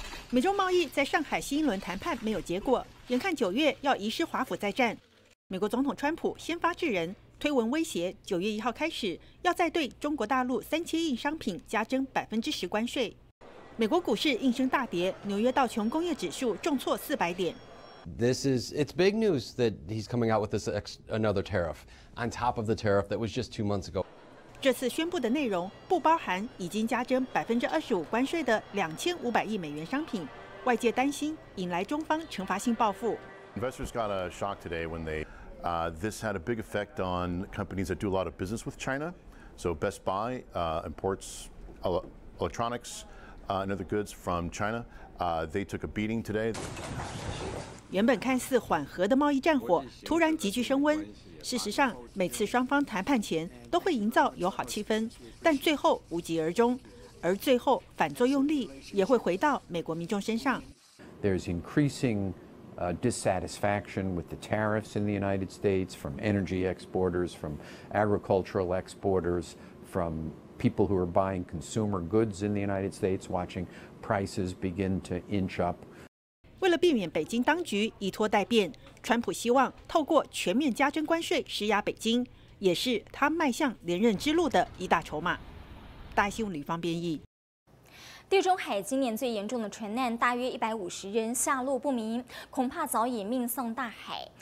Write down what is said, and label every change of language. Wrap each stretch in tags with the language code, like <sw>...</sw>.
<zh>美中贸易在上海新一轮谈判没有结果，眼看九月要移师华府再战，美国总统川普先发制人，推文威胁9月1号开始要再对中国大陆3000亿商品加征10%关税。美国股市应声大跌，纽约道琼工业指数重挫400点。</zh> <en>It's big news that he's coming out with this another tariff on top of the tariff that was just 2 months ago.</en> <zh>这次宣布的内容不包含已经加征25%关税的2500亿美元商品，外界担心引来中方惩罚性报复。</zh> <en>Investors got a shock today when they this had a big effect on companies that do a lot of business with China. So Best Buy imports electronics and other goods from China. They took a beating today.</en> <zh>原本看似缓和的贸易战火突然急剧升温。事实上，每次双方谈判前都会营造友好气氛，但最后无疾而终。而最后反作用力也会回到美国民众身上。</zh> <en>There's increasing dissatisfaction with the tariffs in the United States from energy exporters, from agricultural exporters, from people who are buying consumer goods in the United States, watching prices begin to inch up.</en> <zh>为了避免北京当局以拖代变，川普希望透过全面加征关税施压北京，也是他迈向连任之路的一大筹码。大新闻李芳编译。地中海今年最严重的船难，大约150人下落不明，恐怕早已命丧大海。</zh>